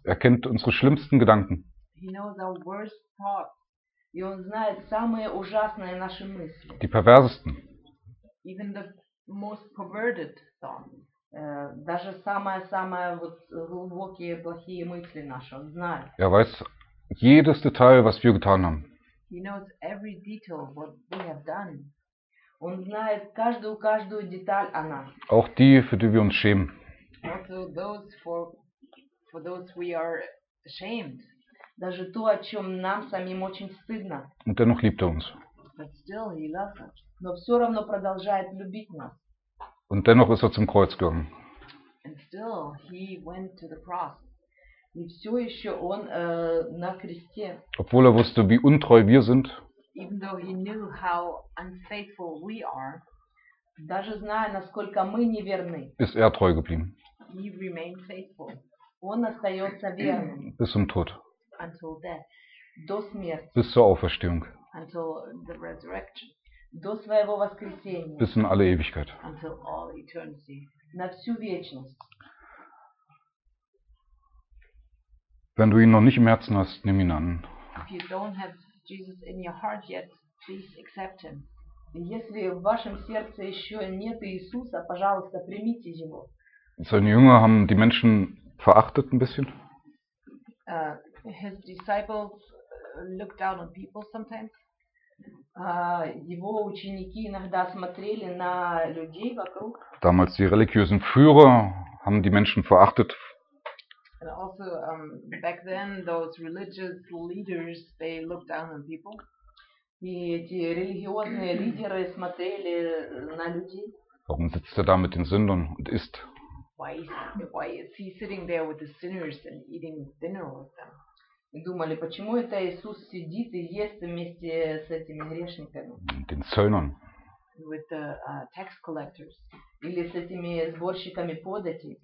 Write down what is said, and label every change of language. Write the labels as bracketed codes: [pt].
[de] Er kennt unsere schlimmsten Gedanken. [en] He knows our worst thoughts. [ru] И он знает самые ужасные наши мысли. [de] Die perversesten. [en] Even the most perverted thoughts. [ru] Даже самые-самые вот глубокие плохие мысли наши он знает. [de] Er weiß jedes Detail, was wir getan haben. [en] He knows every detail of what we have done. [ru] und знает каждую деталь о нас. [de] Auch die, für die wir uns schämen. [en] Also those for those we are ashamed. [ru] Даже то, о чем нам самим очень стыдно. [de] Und dennoch liebt er uns. [en] But still he loves us. [ru] Но все равно продолжает любить нас. [de] Und dennoch ist er zum Kreuz gegangen. [en] And still he went to the cross. [ru] И все еще он на кресте. [de] Obwohl er wusste, wie untreu wir sind. [en] Even though he knew how unfaithful we are, [ru] даже зная, насколько мы неверны, [de] ist er treu geblieben. [en] He remained faithful. [ru] Он остается верным. [de] Bis zum Tod. [en] Until death. [ru] До смерти. [de] Bis zur Auferstehung. [en] Until the resurrection. [ru] До своего воскресения. [de] Bis in alle Ewigkeit. [en] Until all eternity. [ru] На всю вечность. [de] Wenn du ihn noch nicht im Herzen hast, nimm ihn an. [en] If you don't have Jesus in your heart yet, please accept him. [ru] Если в вашем сердце еще нет Иисуса, пожалуйста, примите его. [de] Seine Jünger haben die Menschen verachtet ein bisschen. [en] His disciples look down on people sometimes. [ru] Его ученики иногда смотрели на людей вокруг. [de] Damals die religiösen Führer haben die Menschen verachtet. [en] And also back then those religious leaders they looked down on people. [ru] И эти религиозные лидеры смотрели на людей. [de] Warum sitzt er da mit den Sündern und isst? [en] Why is he sitting there with the sinners and eating dinner with them? [ru] И думали, почему это Иисус сидит и ест вместе с этими грешниками? [de] Den Zöllnern. [en] With the tax collectors. [ru] Или с этими сборщиками подати.